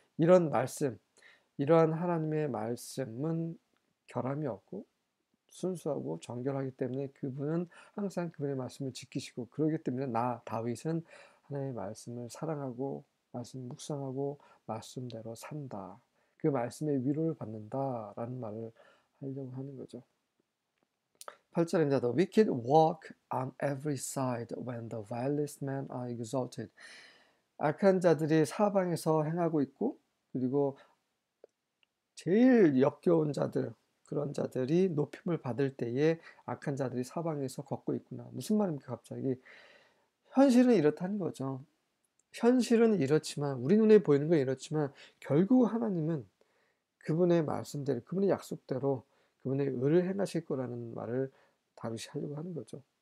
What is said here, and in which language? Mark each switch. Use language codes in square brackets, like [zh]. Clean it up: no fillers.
[ko] 이런 말씀, 이러한 하나님의 말씀은 결함이 없고 순수하고 정결하기 때문에 그분은 항상 그분의 말씀을 지키시고, 그러기 때문에 나 다윗은 하나님의 말씀을 사랑하고 말씀 묵상하고 말씀대로 산다. 그 말씀의 위로를 받는다라는 말을 하려고 하는 거죠. 8절입니다. [en] The wicked walk on every side when the vilest men are exalted. [ko] 악한 자들이 사방에서 행하고 있고, 그리고 제일 역겨운 자들, 그런 자들이 높임을 받을 때에 악한 자들이 사방에서 걷고 있구나. 무슨 말입니까, 갑자기? 현실은 이렇다는 거죠. 현실은 이렇지만, 우리 눈에 보이는 건 이렇지만, 결국 하나님은 그분의 말씀대로, 그분의 약속대로 그분의 의를 행하실 거라는 말을 다윗이 하려고 하는 거죠.